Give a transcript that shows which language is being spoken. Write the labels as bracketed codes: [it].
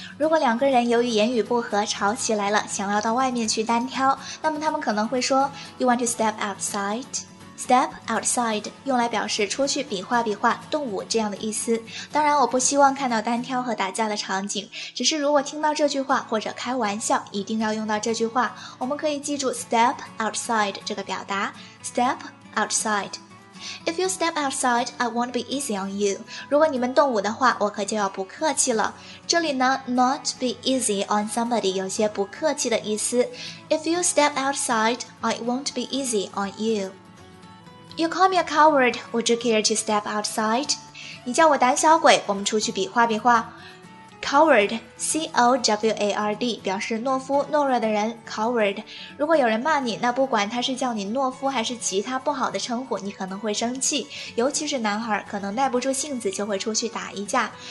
[zh] 如果两个人由于言语不合吵起来了，想要到外面去单挑，那么他们可能会说 [en] You want to step outside? [zh] Step outside 用来表示出去比划比划、动武这样的意思。当然我不希望看到单挑和打架的场景，只是如果听到这句话或者开玩笑一定要用到这句话，我们可以记住 step outside 这个表达。 [en] Step outsideIf you step outside, I won't be easy on you. [zh] 如果你们动武的话，我可就要不客气了。这里呢 [en] not be easy on somebody [zh] 有些不客气的意思。 [en] If you step outside, I won't be easy on you. You call me a coward, would you care to step outside? [zh] 你叫我胆小鬼，我们出去比划比划。 Coward, C-O-W-A-R-D, 表示懦夫、懦弱的人 ,coward. 如果有人骂你，那不管他是叫你懦夫还是其他不好的称呼，你可能会生气。尤其是男孩，可能耐不住性子就会出去打一架。